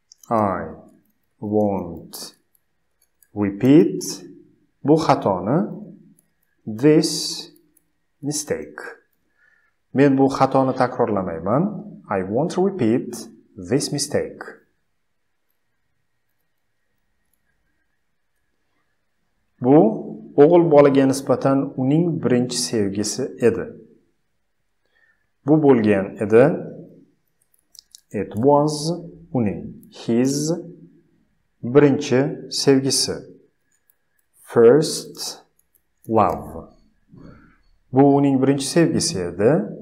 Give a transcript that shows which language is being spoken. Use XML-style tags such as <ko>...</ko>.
<en>I won't repeat</en> <uz>bu xatoni.</uz> <en>This mistake.</en> <uz>Men bu xatoni takrorlamayman.</uz> <en>I won't repeat this mistake.</en> <uz>Bu o'g'il bolaga nisbatan uning birinchi sevgisi edi. Bu bo'lgan edi.</uz> <en>It was</en> <uz>uning</uz> <en>his</en> <uz>birinchi sevgisi.</uz> <en>First love.</en> <uz>Bu uning birinchi sevgisi edi.</uz>